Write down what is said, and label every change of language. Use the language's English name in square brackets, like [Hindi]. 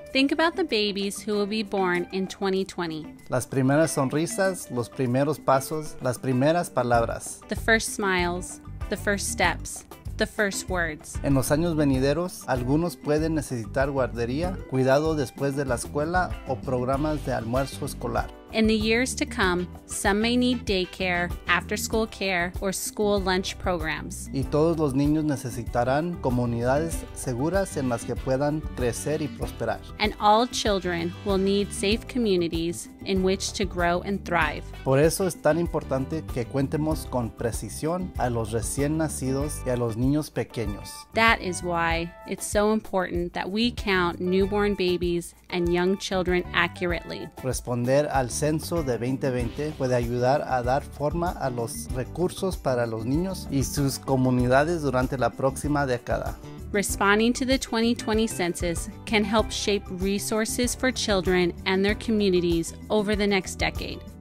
[English] Think about the babies who will be born in 2020. [Spanish] Las primeras sonrisas, los primeros pasos, las primeras palabras. [English] The first smiles, the first steps, the first words. [Spanish] En los años venideros, algunos pueden necesitar guardería, cuidado después de la escuela o programas de almuerzo escolar. [English] In the years to come, some may need daycare, after-school care, or school lunch programs. [Spanish] Y todos los niños necesitarán comunidades seguras en las que puedan crecer y prosperar. [English] And all children will need safe communities in which to grow and thrive. [Spanish] Por eso es tan importante que cuentemos con precisión a los recién nacidos y a los niños pequeños. [English] That is why it's so important that we count newborn babies and young children accurately. [Spanish] Responder al censo de 2020 puede ayudar a dar forma a los recursos para los niños y sus comunidades durante la próxima década. [English] Responding to the 2020 census can help shape resources for children and their communities over the next decade.